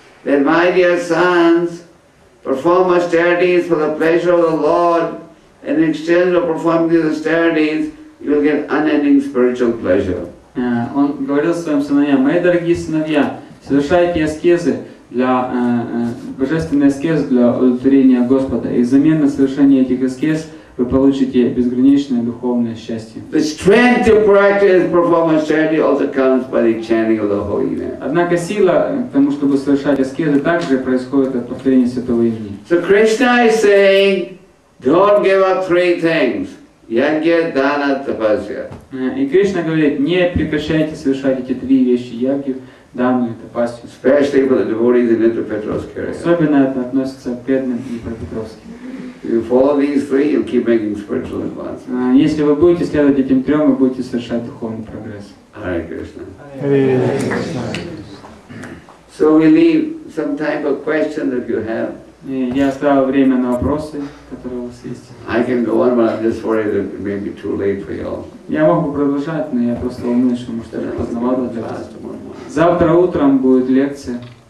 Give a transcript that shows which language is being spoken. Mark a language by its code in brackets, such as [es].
[en] Then my dear sons, perform austerities for the pleasure of the Lord, and in exchange of performing these austerities, you'll get unending spiritual pleasure. [ru] Он говорил своим сыновьям, мои дорогие сыновья, совершайте аскезы для божественной аскезы для удовлетворения Господа. И взамен на совершение этих аскез вы получите безграничное духовное счастье. [en] The strength to practice performance charity also comes by the chanting of the holy name. [ru] Однако сила к тому, чтобы совершать аскезы, также происходит от повторения святого имени. [en] So Krishna is saying, don't give up three things. [sa] Ягья, дана, тапасья. [ru] И Кришна говорит, не прекращайте совершать эти три вещи, ягью, дану и тапасью. [en] Especially for the devotees in Петропавловск area. [ru] Особенно это относится к бедным и Петропавловским. [en] If you follow these three, you'll keep making spiritual advances. [ru] Если вы будете следовать этим трем, вы будете совершать духовный прогресс. [en] Hare Krishna. So we leave some time for questions if you have. [ru] Я оставил время на вопросы, которые у вас есть. [en] I can go on, but I'm just worried that it may be too late for y'all. [ru] Я могу продолжать, но я просто волнуюсь, что может это поздновато для вас. Завтра утром будет лекция.